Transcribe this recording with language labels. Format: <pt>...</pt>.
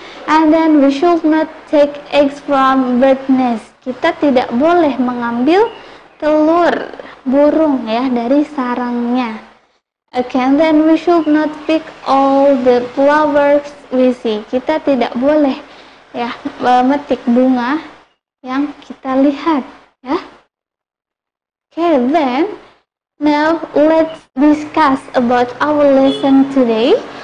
<en>And then we should not take eggs from bird nests.</en> <id>Kita tidak boleh mengambil telur burung, ya, dari sarangnya.</id> <en>Okay, and then we should not pick all the flowers we see.</en> <id>Kita tidak boleh ya memetik bunga yang kita lihat, ya.</id> <en>Okay, then now let's discuss about our lesson today.</en>